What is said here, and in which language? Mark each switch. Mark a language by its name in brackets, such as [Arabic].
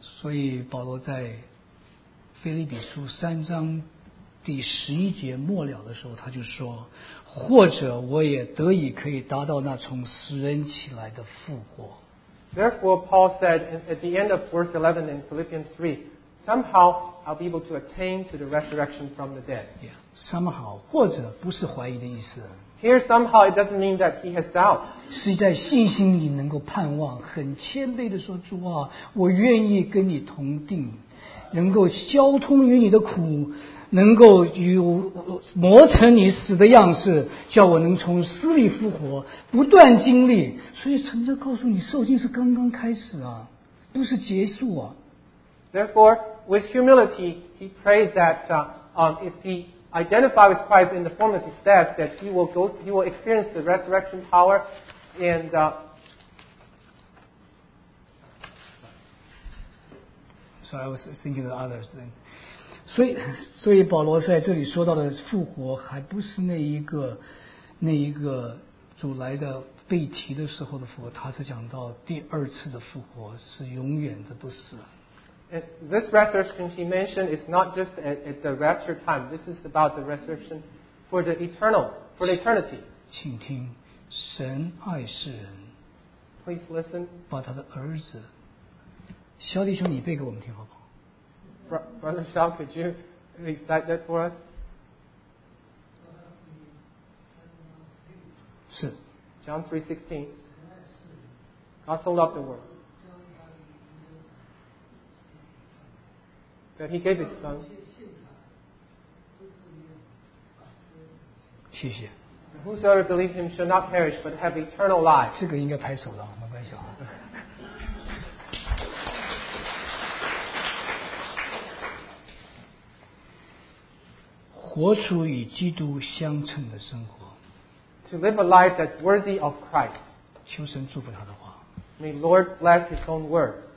[Chinese] 所以保罗在腓立比书三章第十一节末了的时候，他就说：“或者我也得以可以达到那从死人起来的复活。” [English] Therefore, Paul said at the end of verse 11 in Philippians 3, somehow I'll be able to attain to the resurrection from the dead. Yeah, somehow, [Chinese] 或者不是怀疑的意思。 Here, somehow, it doesn't mean that he has doubt. 是在信心里能够盼望，很谦卑的说，主啊，我愿意跟你同定，能够交通于你的苦，能够与磨成你死的样式，叫我能从死里复活，不断经历。所以神就告诉你，受尽是刚刚开始啊，不是结束啊。 [English] Therefore, with humility, he prayed that if he identifies with Christ in the form of his death, that he will experience the resurrection power and I was thinking of others then. [Chinese] 所以保罗在这里说到的复活还不是那一个主来的被提的时候的复活，他是讲到第二次的复活是永远的不死。 [English] And this resurrection he mentioned is not just at the rapture time. This is about the resurrection for the eternal, for the eternity. [Chinese] 请听，神爱世人。 [English] Please listen. [Chinese] 把他的儿子，小弟兄，你背给我们听好不好 [English] ？Brother Shaw, could you recite that for us? [Chinese] 是。 [English] John 3:16. God so loved the world that he gave his son. [Chinese] 谢谢。 [English] Whosoever believes him shall not perish but have eternal life. [Chinese] 这个应该拍手了，没关系啊。活出与基督相称的生活。 [English] To live a life that's worthy of Christ. [Chinese] 求神祝福他的话。 [English] May Lord bless his own word.